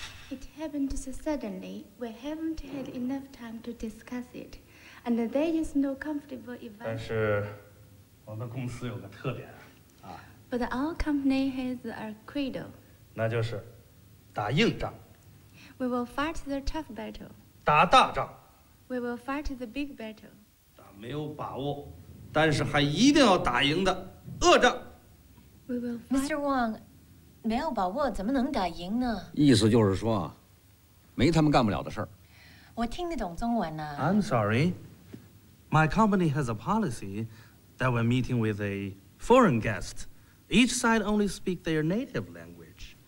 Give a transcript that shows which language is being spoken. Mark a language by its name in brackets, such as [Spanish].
[English] It happened so suddenly, we haven't had enough time to discuss it, and there is no comfortable event. [Chinese] 但是我们公司有个特点啊。 [English] But our company has a credo. [Chinese] 那就是打硬仗。 [English] We will fight the tough battle. [Chinese] 打大仗。 [English] We will fight the big battle. [Chinese] 打没有把握，但是还一定要打赢的恶仗。 [English] We will fight. Mr. Wong. [Chinese] 没有把握怎么能打赢呢？意思就是说，没他们干不了的事儿。我听得懂中文呢。 [English] I'm sorry, my company has a policy that when meeting with a foreign guest, each side only speak their native language.